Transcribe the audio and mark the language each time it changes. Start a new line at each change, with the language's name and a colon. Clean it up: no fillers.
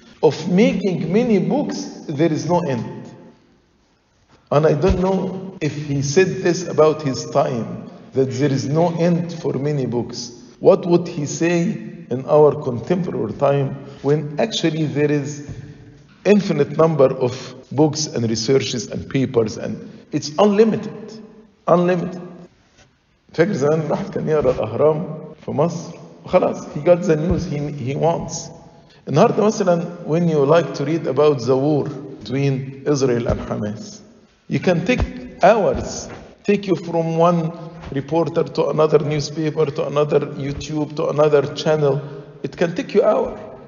English: Of making many books, there is no end. And I don't know if he said this about his time, that there is no end for many books. What would he say in our contemporary time, when actually there is infinite number of books and researches and papers, and it's unlimited, unlimited.
Arabic: فاكر زمان الواحد كان يقرا الاهرام في مصر وخلاص
English: he got the news he wants.
Arabic: النهارده مثلا
English: when you like to read about the war between Israel and Hamas, you can take hours, take you from one reporter to another newspaper to another YouTube to another channel. It can take you hours.